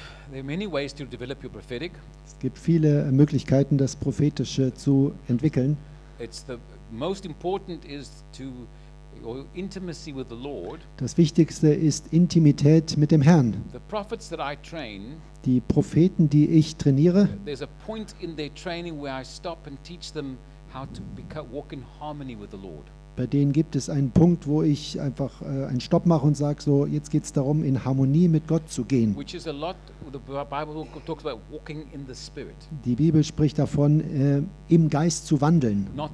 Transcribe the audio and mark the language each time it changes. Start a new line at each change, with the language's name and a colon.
English: There are many ways to develop your prophetic.
German: Es gibt viele Möglichkeiten, das Prophetische zu entwickeln.
English: It's the most important is to your intimacy with the Lord.
German: Das Wichtigste ist Intimität mit dem Herrn.
English: The prophets that I train,
German: die Propheten, die ich trainiere,
English: there's a point in their training where I stop and teach them how to walk in harmony with the Lord.
German: Bei denen gibt es einen Punkt, wo ich einfach einen Stopp mache und sage, so, jetzt geht es darum, in Harmonie mit Gott zu gehen. Die Bibel spricht davon, im Geist zu wandeln.